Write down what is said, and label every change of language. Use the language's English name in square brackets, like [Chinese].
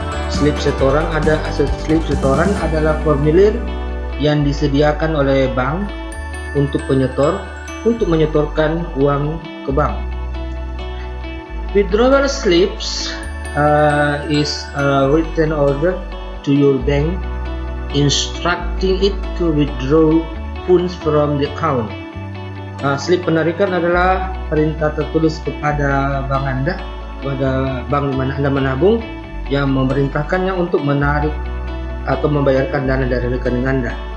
[Indonesian] Slip setoran adalah formulir yang disediakan oleh bank untuk menyetorkan uang ke bank. [English] Withdrawal slips is a written order to your bank instructing it to withdraw funds from the account. [Indonesian] Slip penarikan adalah perintah tertulis kepada bank di mana Anda menabung yang memerintahkannya untuk menarik atau membayarkan dana dari rekening Anda.